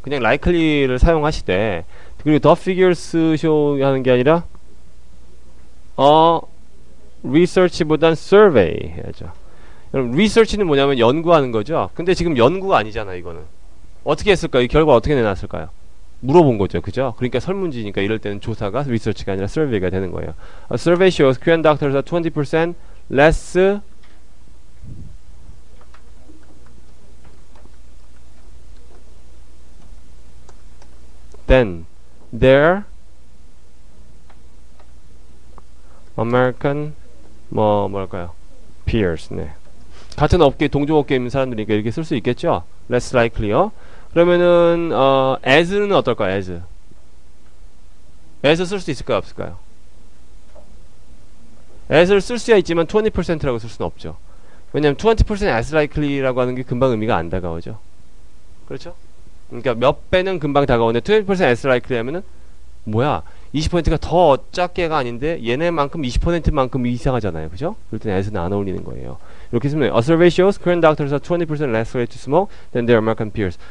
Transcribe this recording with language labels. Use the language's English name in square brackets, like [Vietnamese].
[Korean] 그냥 라이클리를 사용하실 때 그리고 더 피규어스 쇼 하는 게 아니라 리서치보단 서베이 해야죠. 그럼 리서치는 뭐냐면 연구하는 거죠. 근데 지금 연구가 아니잖아요, 이거는. 어떻게 했을까요? 이 결과 어떻게 내놨을까요? 물어본 거죠. 그죠? 그러니까 설문지니까 이럴 때는 조사가 리서치가 아니라 서베이가 되는 거예요. [English] A survey shows Korean doctors are 20% less than their American [Korean] 뭐랄까요 [English] peers. [Korean] 네. 같은 업계 동종업계 있는 사람들이니까 이렇게 쓸 수 있겠죠. [English] Less likely요. [Korean] 그러면은 as는 어떨까요? as 쓸 수 있을까요 없을까요? as를 쓸 수야 있지만 20%라고 쓸 수는 없죠. 왜냐하면 [English] 20% as likely [Korean] 라고 하는 게 금방 의미가 안 다가오죠. 그렇죠? 그러니까 몇 배는 금방 다가오는데 [English] 20% as likely [Korean] 하면은 뭐야 20%가 더 작게가 아닌데 얘네만큼 20%만큼 이상하잖아요. 그죠? 그럴 땐 as는 안 어울리는 거예요. 이렇게 쓰면 [English] A survey shows Korean doctors are 20% less likely to smoke than their American peers.